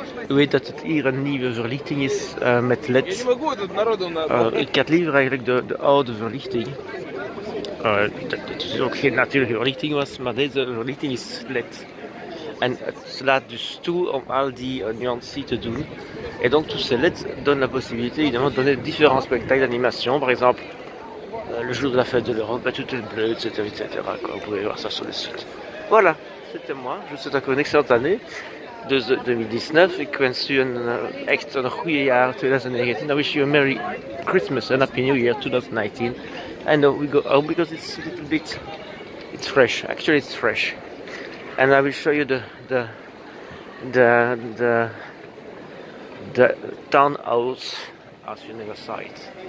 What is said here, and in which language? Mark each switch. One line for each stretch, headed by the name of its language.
Dutch: Oui, dat het hier een nieuwe verlichting is met LED. Ik had liever eigenlijk de oude verlichting. Dat is ook geen natuurlijke verlichting was, maar deze verlichting is LED. En het laat dus toe om al die nuances te doen.
French: Et donc tous ces LED donnent la possibilité évidemment de donner différents spectacles d'animation, par exemple. Le jour de la fête de l'Europe, tout est bleu, etc. etc. Vous pouvez voir ça sur le site. Voilà, c'était moi. Je vous souhaite encore une excellente année de 2019.
Dutch: Ik wens u een echt een goede jaar 2019.
English: I wish you a Merry Christmas and Happy New Year 2019. I know we go out because it's a little bit it's fresh. Actually, it's fresh. And I will show you the townhouse as you never saw it.